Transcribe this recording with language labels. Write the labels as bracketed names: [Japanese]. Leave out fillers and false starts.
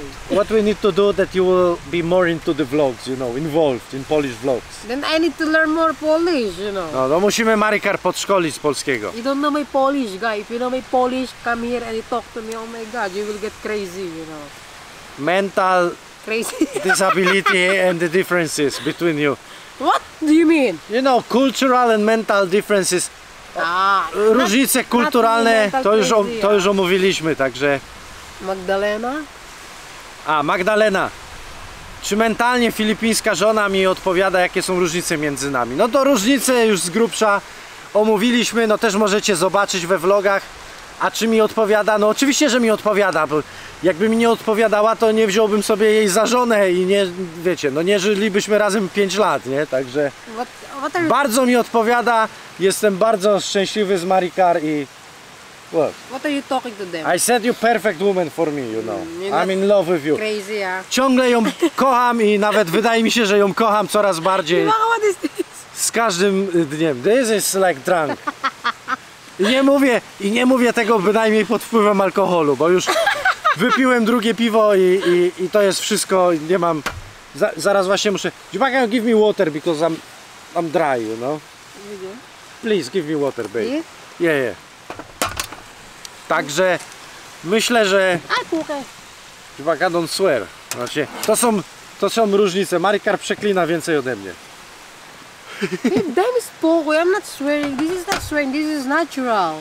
[English] What we need to do that you will be more into the vlogs, you know, involved in Polish vlogs. Then I need to learn more Polish, you know. [Polish] No, to musimy Marikar podszkolić z polskiego. [English] You don't know my Polish, guy. If you know my Polish, come here and you talk to me, oh my god, you will get crazy, you know. Mental crazy disability and the differences between you. What do you mean? You know, cultural and mental differences. [Polish] Różnice kulturalne, to już omówiliśmy, także... Magdalena? A, Magdalena. Czy mentalnie filipińska żona mi odpowiada, jakie są różnice między nami? No to różnice już z grubsza omówiliśmy, no też możecie zobaczyć we vlogach. A czy mi odpowiada? No oczywiście, że mi odpowiada, bo jakby mi nie odpowiadała, to nie wziąłbym sobie jej za żonę i nie, wiecie, no nie żylibyśmy razem 5 lat, nie? Także bardzo mi odpowiada, jestem bardzo szczęśliwy z Marikar i... [English] What are you talking to them? I said you perfect woman for me, you know. I'm in love with you. Crazy, yeah. [Polish] Ciągle ją kocham i nawet wydaje mi się, że ją kocham coraz bardziej. [English] What is this? [Polish] Z każdym dniem. [English] This is like drunk. [Polish] Nie mówię tego bynajmniej pod wpływem alkoholu, bo już wypiłem drugie piwo i to jest wszystko, nie mam, zaraz właśnie muszę... [English] Dziubaka, give me water, because I'm dry, you know? Please, give me water, babe. Yeah. [Polish] Także myślę, że... [English] Dziubaka, don't swear. [Polish] Właśnie, to są różnice, Marikar przeklina więcej ode mnie. [English] Hey, damn spokoj, I'm not swearing. This is not swearing, this is natural.